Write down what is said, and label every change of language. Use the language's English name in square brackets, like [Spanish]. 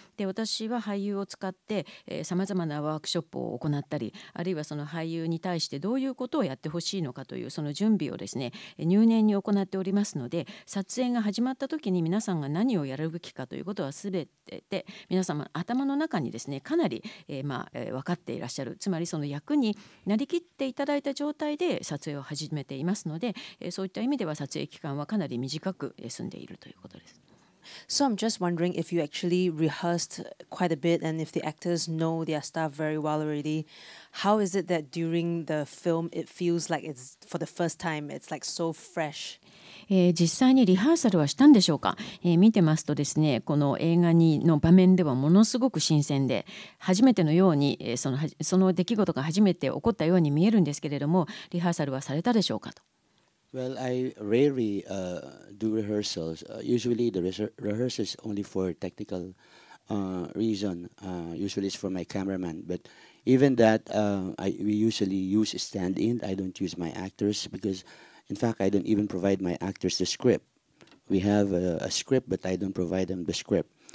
[Japanese] で私は俳優を使って、さまざまなワークショップを行ったり、あるいはその俳優に対してどういうことをやってほしいのかというその準備をですね入念に行っておりますので、撮影が始まった時に皆さんが何をやるべきかということは全てで皆様頭の中にですねかなり、分かっていらっしゃる。つまりその役になりきっていただいた状態で撮影を始めていますので、そういった意味では撮影期間はかなり短く済んでいるということです。 [English] So I'm just wondering if you actually rehearsed quite a bit, and if the actors know their stuff very well already, how is it that during the film it feels like it's for the first time, it's like so fresh? [Japanese] 実際にリハーサルはしたんでしょうか。見てますとですね、この映画にの場面ではものすごく新鮮で、初めてのように、その出来事が初めて起こったように見えるんですけれども、リハーサルはされたでしょうかと。 [English] Well, I rarely do rehearsals. Usually the rehearsal is only for technical reason. Usually it's for my cameraman. But even that, we usually use stand-in. I don't use my actors, because in fact, I don't even provide my actors the script. We have a script, but I don't provide them the script.